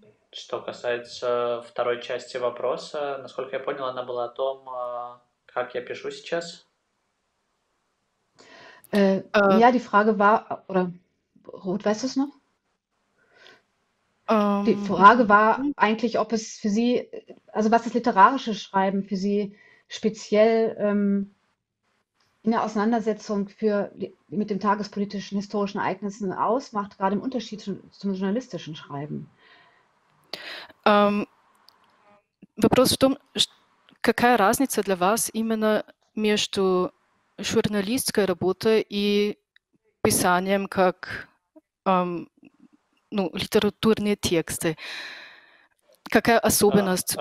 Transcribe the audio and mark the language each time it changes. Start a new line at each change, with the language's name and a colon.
Russian: Что касается второй части вопроса, насколько я понял, она была о том, как я пишу сейчас.
German: Ja, die Frage war, oder Ruth, weißt du es noch? Die Frage war eigentlich, ob es für Sie, also was das literarische Schreiben für Sie speziell in der Auseinandersetzung mit den tagespolitischen, historischen Ereignissen ausmacht, gerade im Unterschied zum journalistischen Schreiben.
Russian: Вопрос в том, какая разница для вас именно между журналистской работой и писанием как ну, литературные тексты? Какая особенность у